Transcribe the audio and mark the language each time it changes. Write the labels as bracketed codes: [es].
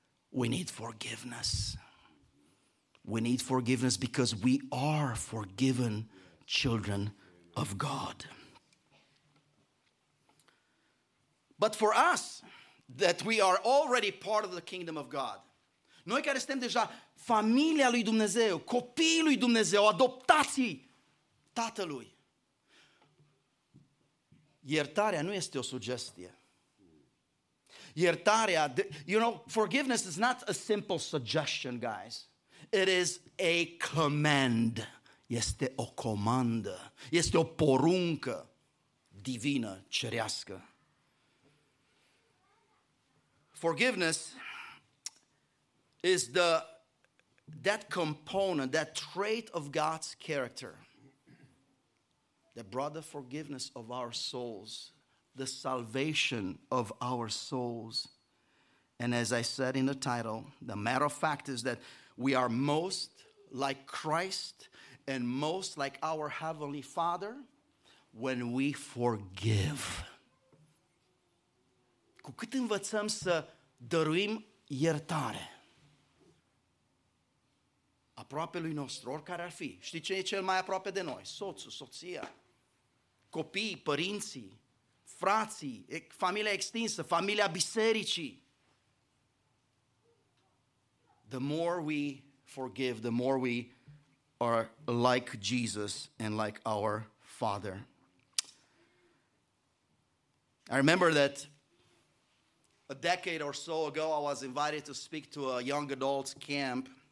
[en] We need forgiveness. We need forgiveness because we are forgiven children of God. But for us, that we are already part of the kingdom of God. [ro] Noi care suntem deja familia lui Dumnezeu, copiii lui Dumnezeu, adoptații Tatălui. Iertarea nu este o sugestie. Iertarea, [en] you know, forgiveness is not a simple suggestion, guys. It is a command. [ro] Este o comandă. Este o poruncă. divină cerească. [en] Forgiveness is that component, that trait of God's character that brought the forgiveness of our souls, the salvation of our souls. And as I said in the title, the matter of fact is that we are most like Christ and most like our Heavenly Father when we forgive. [ro] Cu cât învățăm să dăruim iertare aproape lui nostru, oricare ar fi. Știi ce e cel mai aproape de noi? Soțul, soția, copiii, părinții, frații, familia extinsă, familia bisericii. [en] The more we forgive, the more we are like Jesus and like our Father. I remember that a decade or so ago, I was invited to speak to a young adults camp.